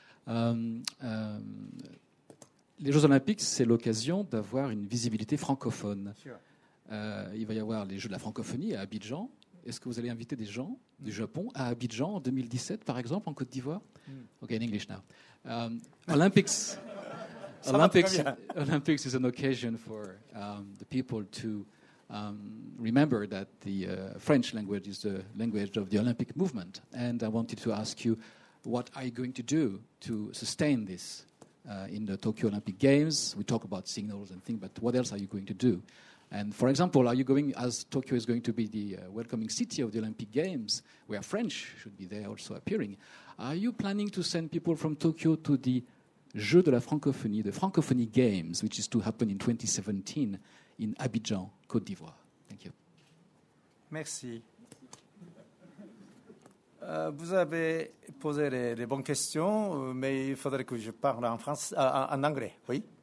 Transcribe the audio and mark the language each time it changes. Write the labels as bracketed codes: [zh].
[fr] Les Jeux Olympiques, c'est l'occasion d'avoir une visibilité francophone. [en] Sure. [fr] Il va y avoir les Jeux de la francophonie à Abidjan. Est-ce que vous allez inviter des gens du Japon à Abidjan en 2017, par exemple, en Côte d'Ivoire? [en] Okay, in English now. Olympics. Olympics is an occasion for the people to remember that the French language is the language of the Olympic movement. And I wanted to ask you, what are you going to do to sustain this in the Tokyo Olympic Games? We talk about signals and things, but what else are you going to do? And for example, are you going, as Tokyo is going to be the welcoming city of the Olympic Games, where French should be there also appearing, are you planning to send people from Tokyo to the Jeux de la Francophonie, the Francophonie Games, which is to happen in 2017 in Abidjan, Côte d'Ivoire. Thank you. [fr] Merci. Vous avez posé les bonnes questions, mais il faudrait que je parle en français, en anglais, oui.